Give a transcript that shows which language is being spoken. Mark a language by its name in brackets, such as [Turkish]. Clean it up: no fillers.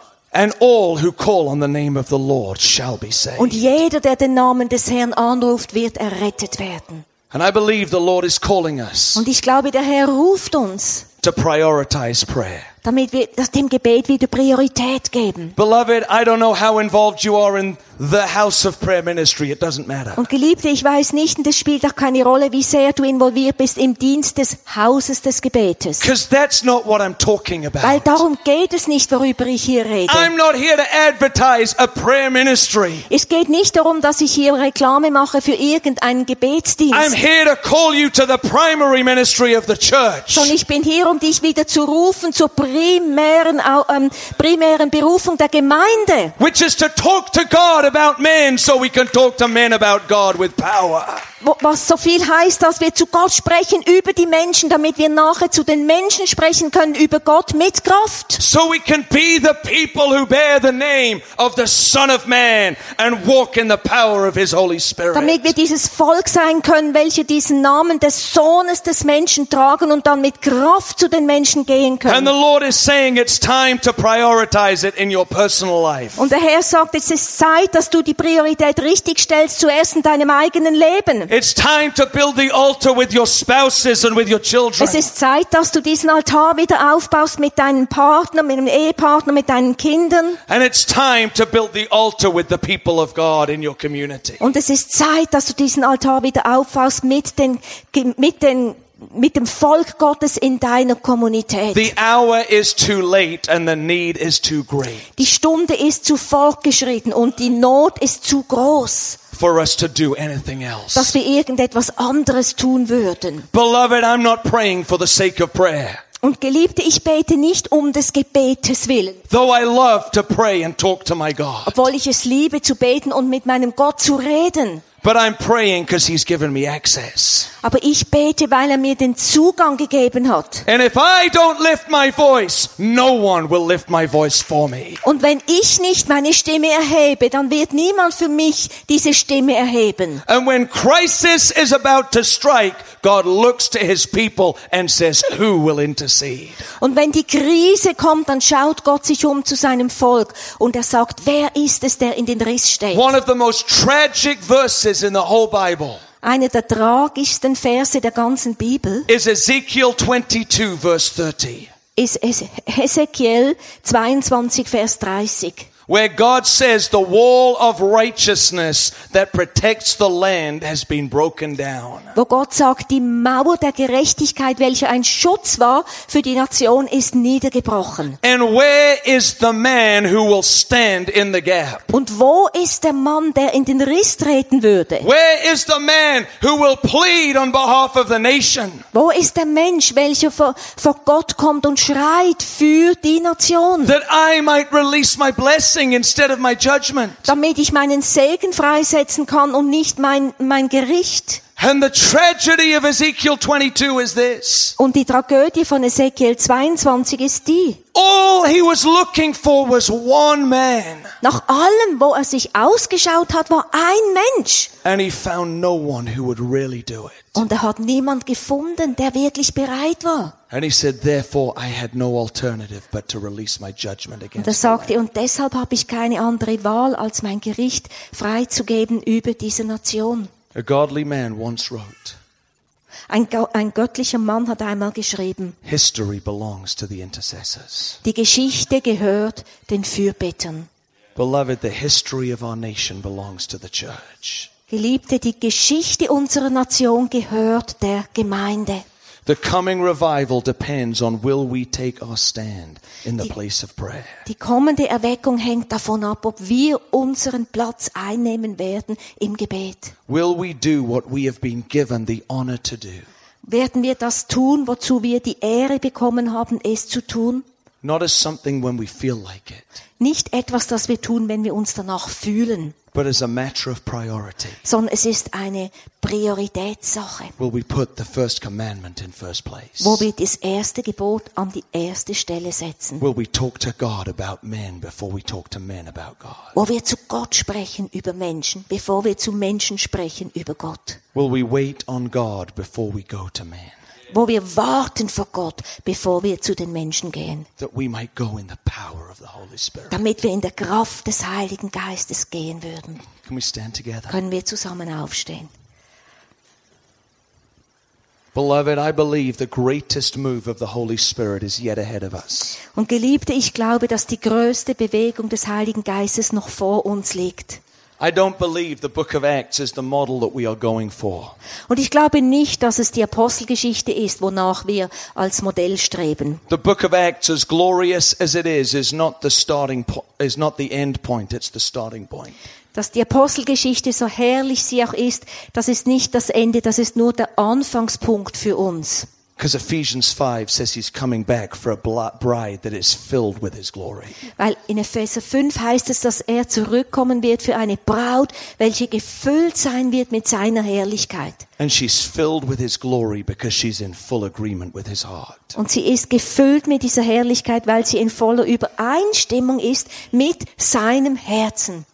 [English] And all who call on the name of the Lord shall be saved. [German] Und jeder, der den Namen des Herrn anruft, wird errettet werden. [English] And I believe the Lord is calling us. [German] Und ich glaube, der Herr ruft uns. [English] To prioritize prayer. [German] Damit wir dem Gebet wieder Priorität geben. [English] Beloved, I don't know how involved you are in the house of prayer ministry. It doesn't matter. [German] Und Geliebte, ich weiß nicht, und es spielt auch keine Rolle, wie sehr du involviert bist im Dienst des Hauses des Gebetes. [English] Because that's not what I'm talking about. [German] Weil darum geht es nicht, worüber ich hier rede. [English] I'm not here to advertise a prayer ministry. [German] Es geht nicht darum, dass ich hier Reklame mache für irgendeinen Gebetsdienst. [English] I'm here to call you to the primary ministry of the church. [German] Sondern ich bin hier, um dich wieder zu rufen zur primären Berufung der Gemeinde. [English] Which is to talk to God. About men, so we can talk to men about God with power. [German] Was so viel heißt, dass wir zu Gott sprechen über die Menschen, damit wir nachher zu den Menschen sprechen können über Gott mit Kraft. [English] So we can be the people who bear the name of the Son of Man and walk in the power of His Holy Spirit. [German] Damit wir dieses Volk sein können, welche diesen Namen des Sohnes des Menschen tragen und dann mit Kraft zu den Menschen gehen können. [English] And the Lord is saying it's time to prioritize it in your personal life. [German] Und der Herr sagt, es ist Zeit, dass du die Priorität richtig stellst, zuerst in deinem eigenen Leben. [English] It's time to build the altar with your spouses and with your children. [German] Es ist Zeit, dass du diesen Altar wieder aufbaust mit deinem Partner, mit dem Ehepartner, mit deinen Kindern. [English] And it's time to build the altar with the people of God in your community. [German] Und es ist Zeit, dass du diesen Altar wieder aufbaust mit dem Volk Gottes in deiner Kommunität. [English] The hour is too late and the need is too great. [German] Die Stunde ist zu fortgeschritten und die Not ist zu groß. [English] For us to do anything else. [German] Dass wir irgendetwas anderes tun würden. [English] Beloved, I'm not praying for the sake of prayer. [German] Und Geliebte, ich bete nicht um des Gebetes willen. [English] Though I love to pray and talk to my God. [German] Obwohl ich es liebe zu beten und mit meinem Gott zu reden. [English] But I'm praying because He's given me access. [German] Aber ich bete, weil er mir den Zugang gegeben hat. [English] And if I don't lift my voice, no one will lift my voice for me. [German] Und wenn ich nicht meine Stimme erhebe, dann wird niemand für mich diese Stimme erheben. [English] And when crisis is about to strike, God looks to His people and says, "Who will intercede?" [German] Und wenn die Krise kommt, dann schaut Gott sich um zu seinem Volk und er sagt, wer ist es, der in den Riss steht? [English] One of the most tragic verses in the whole Bible. [German] Eine der tragischsten Verse der ganzen Bibel ist Ezekiel 22, Vers 30. Ist Ezekiel 22, Vers 30. [English] Where God says the wall of righteousness that protects the land has been broken down. [German] Wo Gott sagt, die Mauer der Gerechtigkeit, welche ein Schutz war für die Nation, ist niedergebrochen. [English] And where is the man who will stand in the gap? [German] Und wo ist der Mann, der in den Riss treten würde? [English] Where is the man who will plead on behalf of the nation? [German] Wo ist der Mensch, welcher vor Gott kommt und schreit für die Nation? [English] That I might release my blessing. Instead of my judgment. [German] Damit ich meinen Segen freisetzen kann und nicht mein Gericht. [English] And the tragedy of Ezekiel 22 is this. [German] Und die Tragödie von Ezekiel 22 ist die. [English] All he was looking for was one man. [German] Nach allem, wo er sich ausgeschaut hat, war ein Mensch. [English] And he found no one who would really do it. [German] Und er hat niemand gefunden, der wirklich bereit war. [English] And he said, therefore, I had no alternative but to release my judgment against. [German] Und er sagte, und deshalb habe ich keine andere Wahl, als mein Gericht freizugeben über diese Nation. [English] A godly man once wrote. [German] Ein göttlicher Mann hat einmal geschrieben. [English] History belongs to the intercessors. [German] Die Geschichte gehört den Fürbittern. [English] Beloved, the history of our nation belongs to the church. [German] Geliebte, die Geschichte unserer Nation gehört der Gemeinde. [English] The coming revival depends on will we take our stand in the place of prayer. [German] Die kommende Erweckung hängt davon ab, ob wir unseren Platz einnehmen werden im Gebet. [English] Will we do what we have been given the honor to do? [German] Werden wir das tun, wozu wir die Ehre bekommen haben, es zu tun? [English] Not as something when we feel like it. [German] Nicht etwas, das wir tun, wenn wir uns danach fühlen. [English] But as a matter of priority. [German] Sondern es ist eine Prioritätssache. [English] Will we put the first commandment in first place? [German] Wo wir das erste Gebot an die erste Stelle setzen? [English] Will we talk to God about men before we talk to men about God? [German] Wo wir zu Gott sprechen über Menschen, bevor wir zu Menschen sprechen über Gott? [English] Will we wait on God before we go to man? [German] Wo wir warten vor Gott, bevor wir zu den Menschen gehen. [English] That we might go in the power of the Holy Spirit. [German] Damit wir in der Kraft des Heiligen Geistes gehen würden. [English] Can we stand together? [German] Können wir zusammen aufstehen? [English] Beloved, I believe the greatest move of the Holy Spirit is yet ahead of us. [German] Und Geliebte, ich glaube, dass die größte Bewegung des Heiligen Geistes noch vor uns liegt. [English] I don't believe the book of Acts is the model that we are going for. [German] Und ich glaube nicht, dass es die Apostelgeschichte ist, wonach wir als Modell streben. [English] The book of Acts, as glorious as it is not the starting point, is not the end point, it's the starting point. [German] Dass die Apostelgeschichte, so herrlich sie auch ist, das ist nicht das Ende, das ist nur der Anfangspunkt für uns. [English] Because Ephesians 5 says he's coming back for a bride that is filled with his glory. [German] Weil in Epheser 5 heißt es, dass er zurückkommen wird für eine Braut, welche gefüllt sein wird mit seiner Herrlichkeit. [English] And she's filled with his glory because she's in full agreement with his heart. [German] Und sie ist gefüllt mit dieser Herrlichkeit, weil sie in voller Übereinstimmung ist mit seinem Herzen.